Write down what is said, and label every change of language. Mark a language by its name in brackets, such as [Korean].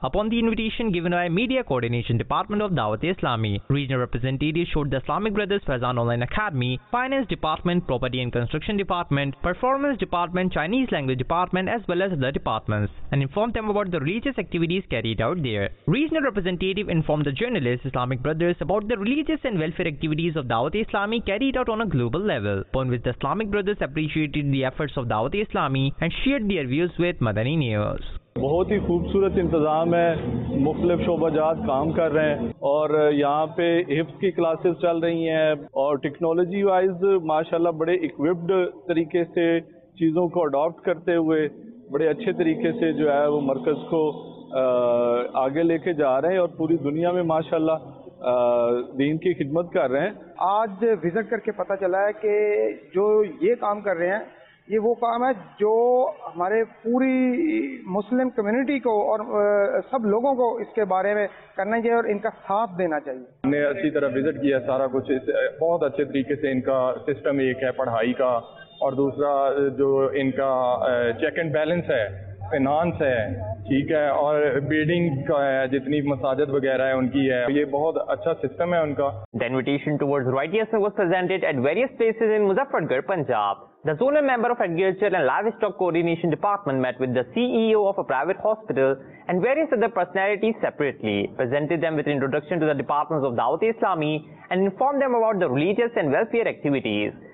[English] Upon the invitation given by Media Coordination Department of Dawat Islami, regional representatives showed the Islamic Brothers Faizan Online Academy, Finance Department, Property and Construction Department, Performance Department, Chinese Language Department, as well as other departments, and informed them about the religious activities carried out there. Regional representative informed the journalists Islamic Brothers about the religious and welfare activities of Dawat Islami carried out on a global level, upon which the Islamic Brothers appreciated the efforts of Dawat Islami and shared their views with Madani News. [Hindi] बहुत ही खूबसूरत इंतजाम है, मुख्तलिफ शोबाजात काम कर रहे हैं और यहाँ पे हिफ्स की क्लासेस चल रही हैं और टेक्नोलॉजी वाइज माशाल्लाह बड़े इक्विप्ड तरीके से चीज़ों को अडॉप्ट करते हुए बड़े अच्छे तरीके से जो है वो मरकज़ को आगे लेके जा रहे हैं और पूरी दुनिया में माशाल्लाह दीन की खिदमत कर रहे हैं। आज विजिट करके पता चला है कि जो ये काम कर रहे हैं ये वो काम है जो हमारे पूरी मुस्लिम कम्युनिटी को और सब लोगों को इसके बारे में करना चाहिए और इनका साथ देना चाहिए। हमने अच्छी तरह विजिट किया, सारा कुछ बहुत अच्छे तरीके से इनका सिस्टम एक है पढ़ाई का और दूसरा जो इनका चेक एंड बैलेंस है, फिनांस है, ठीक है, और बिल्डिंग का है, जितनी मसाजद वगैरह है उनकी है, ये बहुत अच्छा सिस्टम है उनका। [English] The invitation towards YTSA was presented at various places in Muzaffargarh, Punjab. The zonal member of Agriculture and Livestock Coordination Department met with the CEO of a private hospital and various other personalities separately, presented them with an introduction to the departments of Dawat Islami and informed them about the religious and welfare activities.